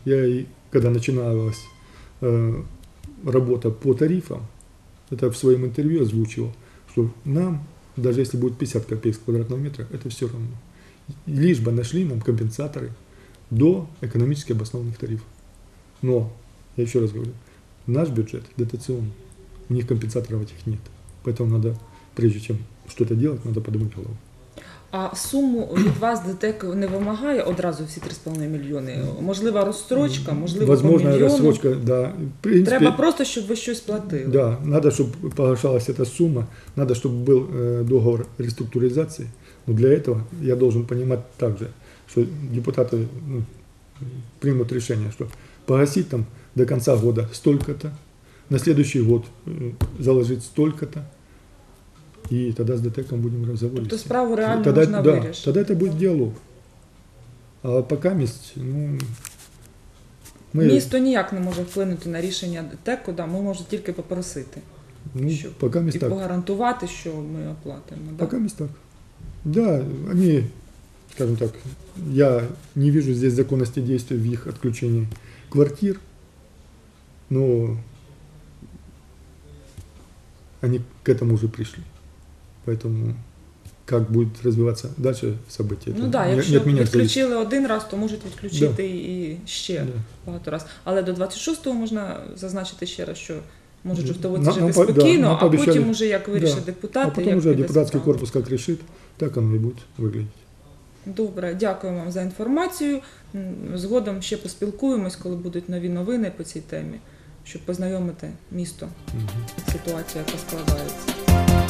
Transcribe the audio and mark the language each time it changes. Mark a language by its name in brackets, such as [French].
[Russian] Я и когда начиналась работа по тарифам, это в своем интервью озвучивал, что нам, даже если будет 50 копеек с квадратного метра, это все равно. Лишь бы нашли нам компенсаторы до экономически обоснованных тарифов. Но, я еще раз говорю, наш бюджет дотационный, у них компенсаторов этих нет. Поэтому надо, прежде чем что-то делать, надо подумать головой. [Ukrainian] А суму від вас ДТЕК не вимагає одразу всі 3,5 мільйони? Можлива розстрочка, можливо, [Russian] возможна [Ukrainian] по мільйону? Можливо, розстрочка, да. В принципі, треба просто, щоб ви щось платили. Да, надо, щоб погашалася ця сума, надо, щоб був договор реструктуризації. [Russian] Но для этого я должен понимать также, что депутаты примут решение, что погасить там до конца года столько-то, на следующий год заложить столько-то, и тогда с ДТЭКом будем разговаривать. То есть справу реально тогда, нужно да, вырешить. Тогда это будет диалог. А пока месть, ну... Мы... [Ukrainian] Місто ніяк не може вплинути на рішення ДТЕКу, да, ми можемо тільки попросити. Ну, щоб... пока місць так. І погарантувати, що ми оплатимо. Да? Пока місць так. [Russian] Да, они, скажем так, я не вижу здесь законности действия в их отключении квартир, но они к этому уже пришли. Поэтому как будет развиваться дальше событие, ну, да, не от меня. Ну да, если отключили один раз, то может отключить да. и еще да. много раз. Але до 26-го можно зазначить еще раз, что... [Ukrainian] Може, жовтовоці жити спокійно, да, а пообіщали. Потім уже як вирішить депутати. А потім як вже депутатський корпус як рішить, так воно і буде виглядати. Добре, дякую вам за інформацію. Згодом ще поспілкуємось, коли будуть нові новини по цій темі, щоб познайомити місто, угу. ситуацію, яка складається.